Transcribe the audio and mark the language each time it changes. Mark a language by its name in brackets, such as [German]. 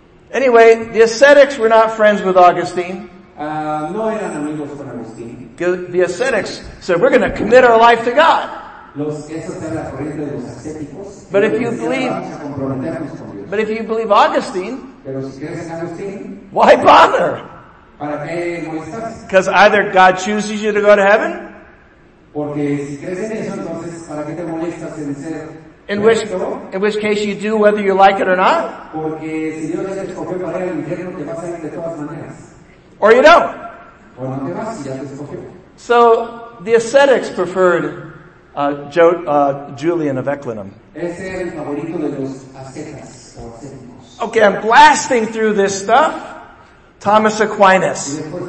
[English] Anyway, the ascetics were not friends with Augustine. [Spanish] No eran amigos con Agustín. [English] The ascetics said, we're going to commit our life to God. But if you believe Augustine, [Spanish] pero si crees en Agustín, [English] why bother? [Spanish] ¿Para qué no estás? [English] Because either God chooses you to go to heaven. [Spanish] Porque si crees en eso, entonces, ¿para qué te molestas en ser? [English] In which case you do whether you like it or not. [Spanish] Porque si Dios te escogió para el infierno, te vas a ir de todas maneras. [English] Or you don't. [Spanish] O no te vas, si ya te escogió. [English] So the ascetics preferred Julian of Eclanum. [Spanish] Ese era el favorito de los ascetas o ascéticos. [English] Okay, I'm blasting through this stuff. Thomas Aquinas.